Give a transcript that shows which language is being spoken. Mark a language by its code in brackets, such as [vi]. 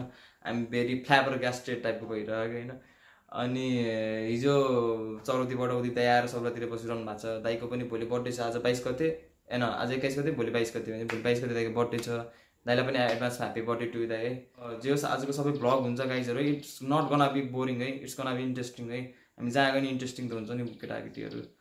[en] I'm very flabbergasted [ne] टाइपको भइरहेको होइन। अनि हिजो चौरती बडौती तयार सबैतिर बसिरहनु भएको छ। दाइको पनि भोलि बर्थडे छ, आज 22 गते होइन, आज 21 गते, भोलि 22 गते भने भोलि 22 गते दाइको बर्थडे छ। दाइलाई पनि [en] advance happy birthday to [ne] दाइ है। जे होस् आजको सबै ब्लग हुन्छ गाइजहरू, [en] It's not gonna be boring है, it's gonna be interesting है। [ne] हामी जहाँ गयो नि इन्ट्रेस्टिङ त हुन्छ नि केटाकेटीहरू।